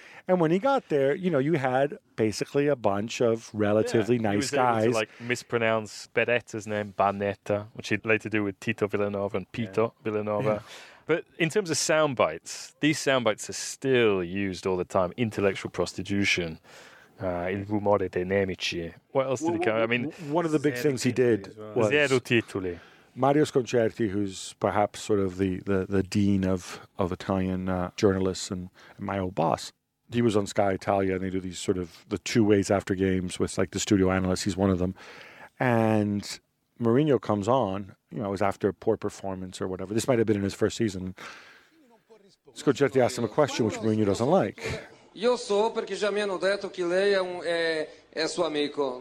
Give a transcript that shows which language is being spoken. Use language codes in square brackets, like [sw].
[en] And when he got there, you know, you had basically a bunch of relatively nice guys. He was able to, like, mispronounce Beretta's name, Banetta, which he'd later do with Tito Villanova and Pito Villanova. Yeah. But in terms of sound bites, these sound bites are still used all the time. Intellectual prostitution, [it] il rumore dei nemici. [en] What else did he come? I mean, one of the big things he did was [it] Zero Titoli. [en] Mario Sconcerti, who's perhaps sort of the dean of Italian journalists and my old boss. He was on Sky Italia, and they do these sort of the two ways after games with, like, the studio analysts. He's one of them. And Mourinho comes on, you know, it was after a poor performance or whatever. This might have been in his first season. Sconcerti asks him a question which Mourinho doesn't like. [it] Io so perché già mi hanno detto che lei è suo amico.